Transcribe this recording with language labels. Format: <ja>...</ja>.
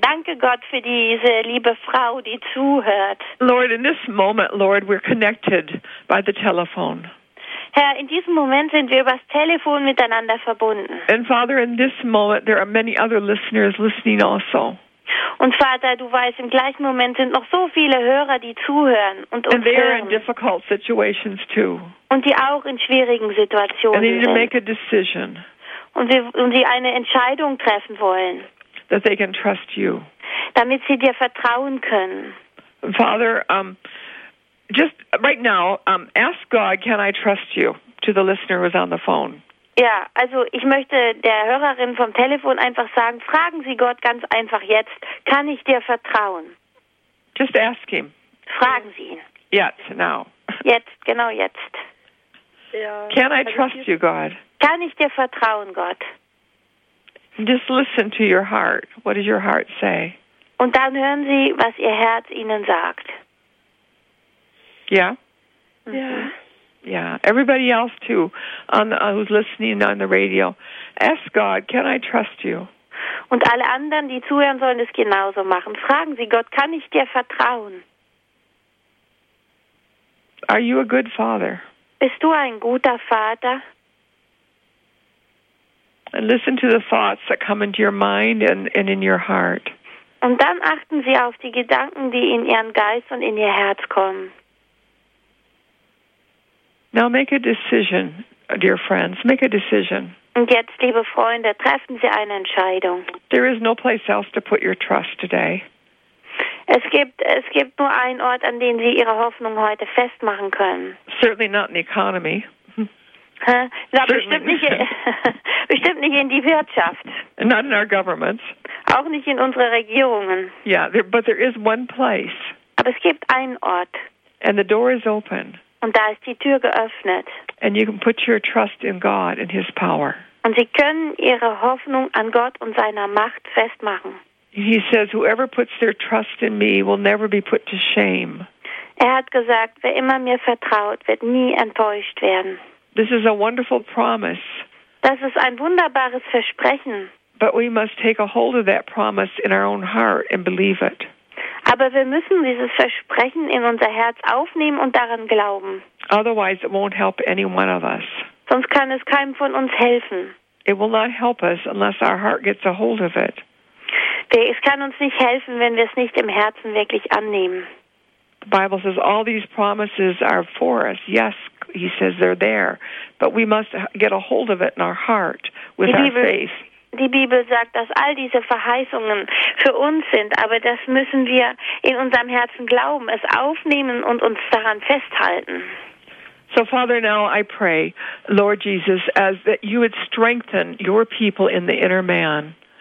<de>Danke Gott für diese liebe Frau, die zuhört.</de> <en>Lord, in this moment, Lord, we're connected by the telephone.</en> <de>Herr, in diesem Moment sind wir übers Telefon miteinander verbunden.</de> <en>And Father, in this moment there are many other listeners listening also.</en> <de>Und Vater, du weißt, im gleichen Moment sind noch so viele Hörer, die zuhören und uns</de> <en>and they</en> <de>hören.</de> <en>Are in difficult situations too.</en> <de>Und die auch in schwierigen Situationen</de> <en>and they need</en> <de>sind.</de> <en>To make a decision.</en> <de>Und sie eine Entscheidung treffen wollen.</de> <en>That they can trust you.</en> <de>Damit sie dir vertrauen können.</de> <en>Father, just right now, ask God, can I trust you? To the listener who's on the phone.</en> <de>Ja, also ich möchte der Hörerin vom Telefon einfach sagen, fragen Sie Gott ganz einfach jetzt, kann ich dir vertrauen?</de> <en>Just ask him.</en> <de>Fragen Sie ihn. Jetzt,</de> <en>now.</en> <de>Jetzt, genau jetzt.</de> <en>Ja, can I trust you, God?</en> <de>Kann ich dir vertrauen, Gott?</de> <en>Just listen to your heart. What does your heart say?</en> <de>Und dann hören Sie, was Ihr Herz Ihnen sagt. Ja? Ja.</de> <en>Yeah, everybody else too, who's listening on the radio, ask God, can I trust you?</en> <de>Und alle anderen, die zuhören, sollen es genauso machen. Fragen Sie Gott, kann ich dir vertrauen?</de> <en>Are you a good father?</en> <de>Bist du ein guter Vater?</de> <en>And listen to the thoughts that come into your mind and in your heart.</en> <de>Und dann achten Sie auf die Gedanken, die in Ihren Geist und in Ihr Herz kommen.</de> <en>Now make a decision, dear friends. Make a decision.</en> <de>Und jetzt, liebe Freunde, treffen Sie eine Entscheidung.</de> <en>There is no place else to put your trust today.</en> <de>Es gibt nur einen Ort, an den Sie Ihre Hoffnung heute festmachen können.</de> <en>Certainly not in the economy.</en> <de>Na, bestimmt nicht in die Wirtschaft.</de> <en>Not in our governments.</en> <de>Auch nicht in unsere Regierungen.</de> <en>Yeah, but there is one place.</en> <de>Aber es gibt einen Ort.</de> <en>And the door is open.</en> <de>Und da ist die Tür geöffnet.</de> <en>And you can put your trust in God and his power.</en> <de>Und Sie können Ihre Hoffnung an Gott und seiner Macht festmachen.</de> <en>He says, whoever puts their trust in me will never be put to shame.</en> <de>Er hat gesagt, wer immer mir vertraut, wird nie enttäuscht werden.</de> <en>This is a wonderful promise.</en> <de>Das ist ein wunderbares Versprechen.</de> <en>But we must take a hold of that promise in our own heart and believe it.</en> <de>Aber wir müssen dieses Versprechen in unser Herz aufnehmen und daran glauben.</de> <en>Otherwise it won't help any one of us.</en> <de>Sonst kann es keinem von uns helfen.</de> <en>It will not help us unless our heart gets a hold of it.</en> <de>Es kann uns nicht helfen, wenn wir es nicht im Herzen wirklich annehmen.</de> <en>The Bible says all these promises are for us. Yes, he says they're there. But we must get a hold of it in our heart with our faith.</en> <de>Die Bibel sagt, dass all diese Verheißungen für uns sind, aber das müssen wir in unserem Herzen glauben, es aufnehmen und uns daran festhalten.</de> <en>So, Father, now I pray, Lord Jesus, as that you would strengthen your people in the inner man.</en>